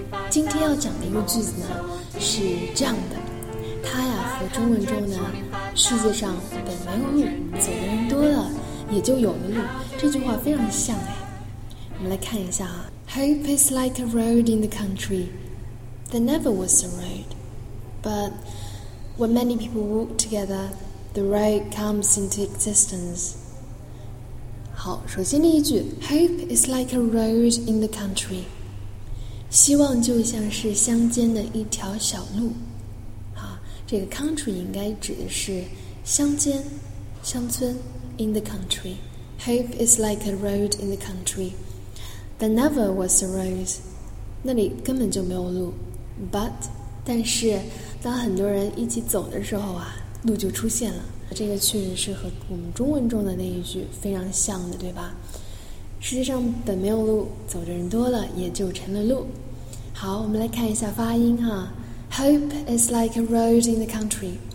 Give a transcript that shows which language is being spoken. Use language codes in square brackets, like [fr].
[zh] 今天要讲的一个句子呢，是这样的，它呀和中文中呢，世界上本没有路，走的人多了，也就有了路，这句话非常像哎。我们来看一下啊 [en] ，Hope is like a road in the country. There never was a road, but when many people walk together, the road comes into existence. [zh] 好，首先第一句 [en] ，Hope is like a road in the country. [zh] 希望就像是乡间的一条小路。好，这个 country 应该指的是乡间、乡村 ， [en] in the country. Hope is like a road in the country. There never was a road. [zh] 那里根本就没有路。 But, 但是当很多人一起走的时候啊，路就出现了。这个确实是和我们中文中的那一句非常像的，对吧？世界上本没有路，走的人多了，也就成了路。好，我们来看一下发音哈。 [en] Hope is like a road in the country.